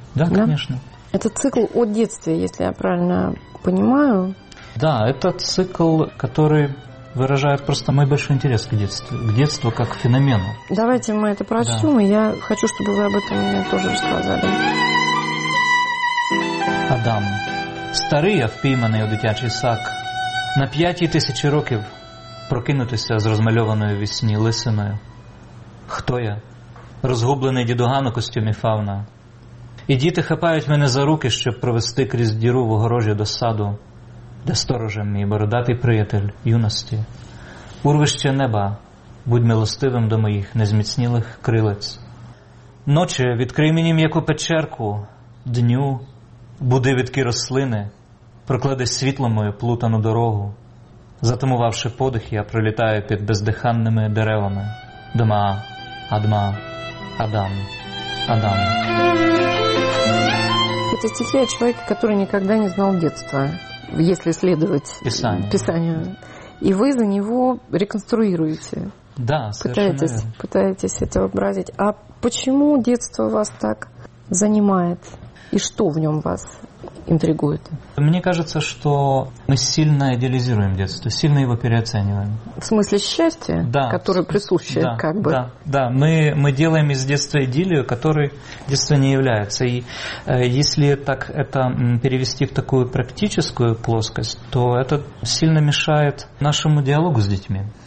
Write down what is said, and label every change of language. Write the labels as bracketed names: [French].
[Russian] Да, да, конечно. Это цикл о детстве, если я правильно понимаю. Да, это цикл, который выражает просто мой большой интерес к детству как феномену. Давайте мы это прочтем, да. И я хочу, чтобы вы об этом мне тоже рассказали. [Ukrainian] Адам, старий, а впійманий у дитячий сак, на 5000 років прокинутися з розмальованою вісні лисиною. Хто я? Розгублений дідуган у костюмі фауна. І діти хапають мене за руки, щоб провести крізь діру в огорожі до саду, де сторожем мій бородатий приятель юності. Урвище неба, будь милостивим до моїх незміцнілих крилець. Ночі, відкрий мені м'яку печерку, дню, буди відки рослини, проклади світло мою плутану дорогу. Затамувавши подих, я пролітаю під бездиханними деревами. Дма, Адма, Адам, Адам. Це стихи о чоловіка, який ніколи не знав дитинства, якщо слідувати писанню. І ви за нього реконструюєте. Да, [Russian] пытаетесь [Ukrainian] це образити. А чому дитинство вас так займає? [Russian] И что в нем вас интригует? Мне кажется, что мы сильно идеализируем детство, сильно его переоцениваем. В смысле счастья, да, которое присуще, да, как бы? Да, да. Мы делаем из детства идиллию, которой детство не является. И если так это перевести в такую практическую плоскость, то это сильно мешает нашему диалогу с детьми.